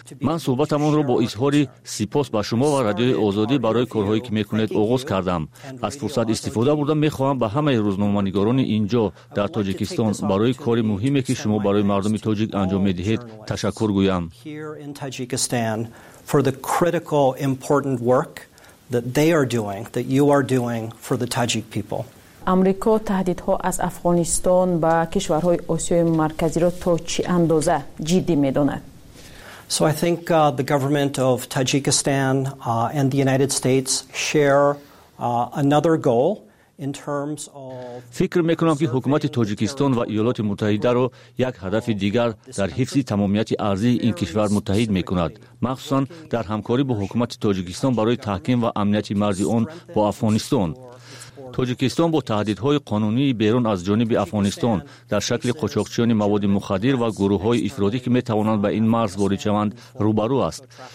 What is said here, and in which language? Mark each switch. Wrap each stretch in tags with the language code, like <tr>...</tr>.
<fa>من صحبتمون رو با اظهار سپاس به شما و رادیو آزادی برای کارهایی که میکنید آغاز کردم. از فرصت استفاده بردم، میخواهم به همه روزنامه‌نگاران اینجا در تاجیکستان برای کاری مهمی که شما برای مردم تاجیک انجام میدهید تشکر گویم.</fa> <en>For the critical important work that they are doing, that you are doing for the Tajik people.</en> <fa>آمریکا تهدیدها از افغانستان به کشورهای آسیای مرکزی را تا چه اندازه جدی میداند؟</fa> <en>So I think the government of Tajikistan and the United States share another goal in terms of</en> <fa>فکر میکنم که حکومت تاجیکستان و ایالات متحده را یک هدف دیگر در حفظ تمامیت ارضی این کشور متحد میکند، مخصوصا در همکاری با حکومت تاجیکستان برای تحکیم و امنیت مرز آن با افغانستان. تاجیکستان با تهدیدهای قانونی بیرون از جانب افغانستان در شکل قاچاقچیان مواد مخدر و گروههای افرادی که می توانند به این مرز وارد شوند روبرو است.</fa>